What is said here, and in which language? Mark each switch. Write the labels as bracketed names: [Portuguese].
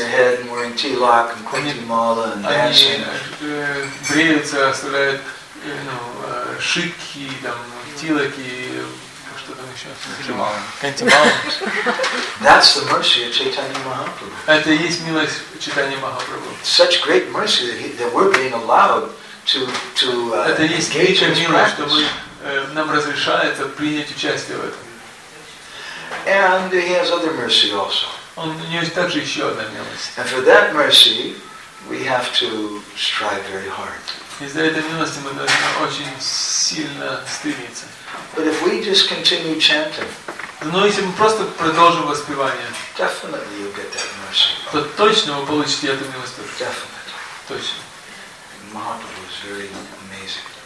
[Russian] Они бреются, оставляют шикки, там, тилок и что там еще? Кантималы. [English] That's the mercy of Chaitanya Mahaprabhu. [Russian] Это и есть милость Чайтаньи Махапрабху. [English] Such great mercy that we're being allowed to [Russian] это и есть великая милость, что мы, нам разрешается принять участие в этом. [English] And he has other mercy also. [Russian] Он, у него есть также еще одна милость. [English] And for that mercy, we have to strive very hard. [Russian] И за этой милости мы должны очень сильно стремиться. [English] But if we just continue chanting, [Russian] но если мы просто продолжим воспевание, [English] definitely you'll get that mercy. [Russian] То точно вы получите эту милость. [English] Definitely. [Russian] Точно. [English] Mahaprabhu is very amazing.